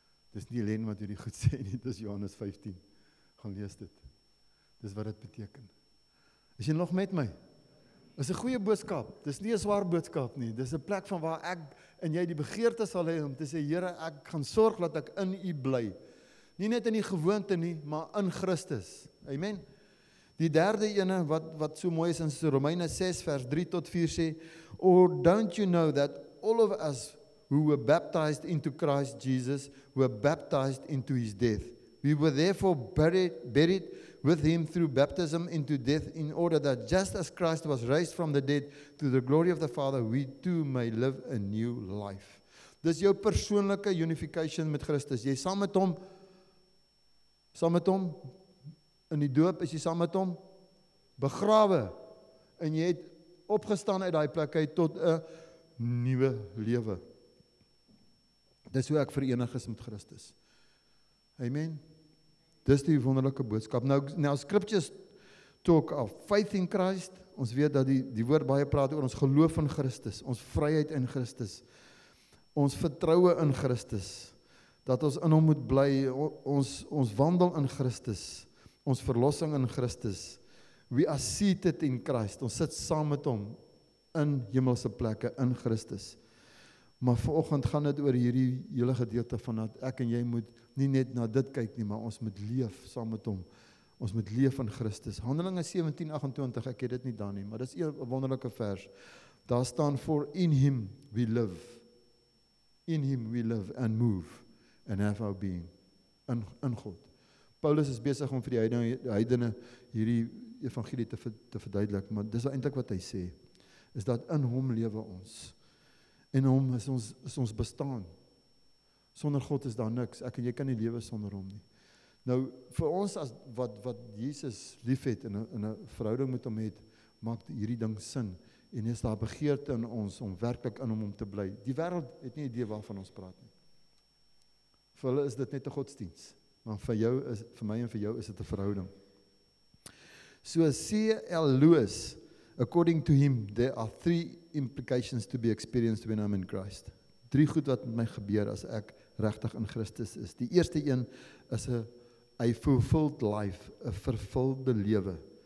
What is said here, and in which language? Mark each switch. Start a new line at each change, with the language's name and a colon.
Afrikaans: Dis nie Len wat hierdie goed sê nie, dis Johannes 15. Gaan lees dit. Dis wat dit beteken. Is jy nog met my? Is 'n goeie boodskap. Dis nie 'n swaar boodskap nie. Dis 'n plek van waar ek en jy die begeerte sal hê om te sê, Here, ek gaan sorg dat ek in U bly. Nie net in die gewoonte nie, maar in Christus. Amen. Die derde ene wat so mooi is in Romeine 6 vers 3 tot 4 sê,
English: or don't you know that all of us who were baptized into Christ Jesus were baptized into his death. We were therefore buried with him through baptism into death in order that just as Christ was raised from the dead to the glory of the Father, we too may live a new life.
Afrikaans: Dis jou persoonlike unification met Christus. Jy saam met hom, in die doop is jy saam met hom begrawe en jy het opgestaan uit die plek uit tot 'n nuwe lewe. Dis hoe ek verenig is met Christus. Amen. Dis die wonderlike boodskap. Nou scriptures
English: talk of faith in Christ.
Afrikaans: Ons weet dat die woord baie praat oor ons geloof in Christus, ons vryheid in Christus, ons vertroue in Christus, dat ons in hom moet bly, ons wandel in Christus, ons verlossing in Christus.
English: We are seated in Christ,
Afrikaans: ons sit saam met hom in hemelse plekke, in Christus. Maar vanoggend gaan dit oor hierdie hele gedeelte van dat ek en jy moet nie net na dit kyk nie, maar ons moet leef saam met hom. Ons moet leef in Christus. Handelinge 17:28, ek het dit nie daar nie, maar dit is 'n wonderlike vers. Daar staan,
English: for in him we live. In him we live and move and have our being.
Afrikaans: In God. Paulus is besig om vir die heidene hierdie evangelie te verduidelik, maar dis eintlik wat hy sê, is dat in hom lewe ons. In hom is ons bestaan. Sonder God is daar niks. Ek en jy kan nie lewe sonder hom nie. Nou, vir ons as wat Jesus lief het en in 'n verhouding met hom het, maak hierdie ding sin. En is daar begeerte in ons om werklik in hom te bly. Die wêreld het nie idee waarvan ons praat nie. Vir hulle is dit net 'n godsdienst. Maar vir my en vir jou is dit 'n verhouding.
English: So, C.L. Lewis, according to him, there are three implications to be experienced when I'm in Christ.
Afrikaans: Drie goed wat met my gebeur as ek regtig in Christus is. Die eerste een is 'n
English: a fulfilled life,
Afrikaans: a vervulde lewe.